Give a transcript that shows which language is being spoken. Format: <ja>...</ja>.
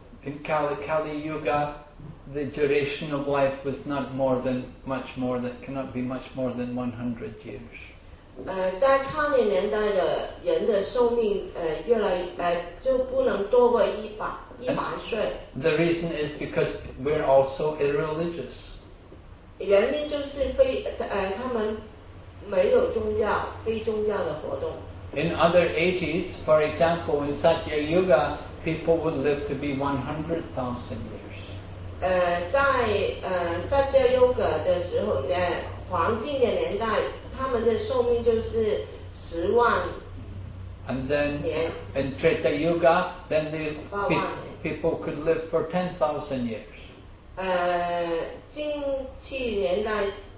<en>In Kali Yuga, the duration of life was not more than much more than cannot be much more than 100 years.</en> <zh>在康宁年代的人的寿命就不能多过一百岁。</zh> <en>The reason is because we're also irreligious.</en> <zh>原因就是他们没有宗教，非宗教的活动。</zh> <en>In other ages, for example, in Satya Yuga, people would live to be 100,000 years.</en> <zh>在Satya Yuga的时候，黄金的年代。</zh> <en>And then in Treta Yuga, then the people could live for 10,000 years.</en>